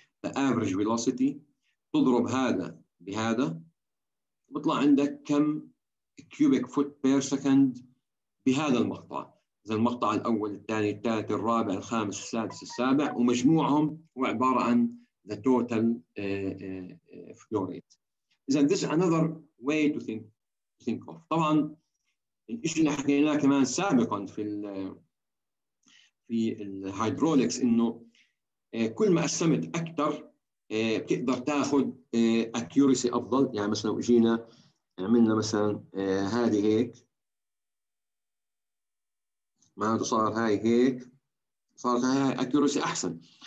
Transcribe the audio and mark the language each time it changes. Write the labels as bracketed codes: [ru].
[ar] ذا افريج فيلوسيتي تضرب هذا بهذا بيطلع عندك كم كيوبيك فوت بير سكند بهذا المقطع. إذا المقطع الأول الثاني الثالث الرابع الخامس السادس السابع ومجموعهم هو عبارة عن [en] the total flow rate. إذن this is another way to think of. [ar] طبعا الشيء اللي حكيناه كمان سابقا في الهيدروليكس انه كل ما قسمت اكثر بتقدر تاخذ accuracy افضل. يعني مثلا لو اجينا عملنا مثلا هذه هيك معناته صار هاي هيك صارت هاي accuracy احسن.